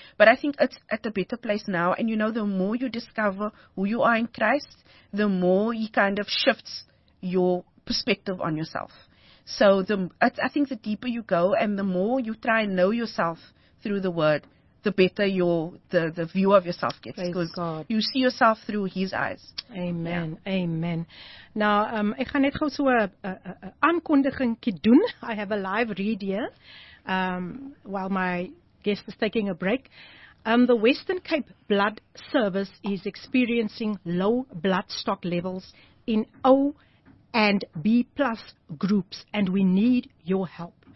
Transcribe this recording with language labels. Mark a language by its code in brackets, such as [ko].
[en] But I think it's at a better place now. And you know, the more you discover who you are in Christ, the more He kind of shifts your perspective on yourself. So I think the deeper you go and the more you try and know yourself through the Word, the better the view of yourself gets. Praise God. You see yourself through His eyes. Amen, yeah. Amen. [af] Nou, ek gaan net gou so 'n aankondiging doen. [en] I have a live read here while my guest is taking a break. The Western Cape Blood Service is experiencing low blood stock levels in O and B plus groups, and we need your help.